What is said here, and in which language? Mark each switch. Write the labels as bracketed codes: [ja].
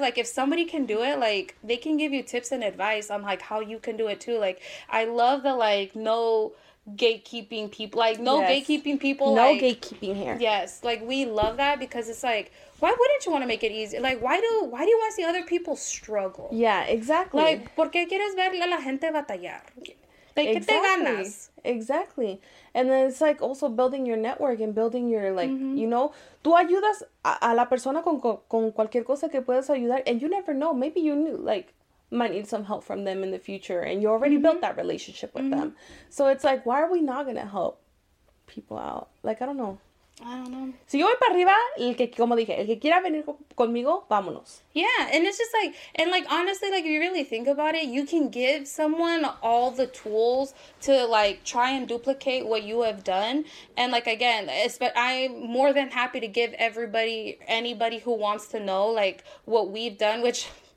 [en] Like, if somebody can do it, like, they can give you tips and advice on, like, how you can do it too. Like, I love the, like, no gatekeeping here. Yes, like, we love that, because it's like, why wouldn't you want to make it easy? Like, why do you want to see other people struggle? Yeah, exactly. [es] Like, ¿por qué quieres ver a la gente batallar? [en] Like, exactly. [es] ¿qué te ganas? [en] Exactly. And then it's, like, also building your network and building your, like, mm-hmm. you know, [es] tú ayudas a la persona con cualquier cosa que puedas ayudar, [en] and you never know, maybe you knew, like, might need some help from them in the future, and you already mm-hmm. built that relationship with mm-hmm. them. So it's like, why are we not going to help people out? Like, I don't know. [es] Si yo voy para arriba, el que, como dije, el que quiera venir conmigo, vámonos. [en] Yeah, and it's just like, and, like, honestly, like, if you really think about it, you can give someone all the tools to, like, try and duplicate what you have done. And, like, again, I'm more than happy to give anybody who wants to know, like, what we've done, which...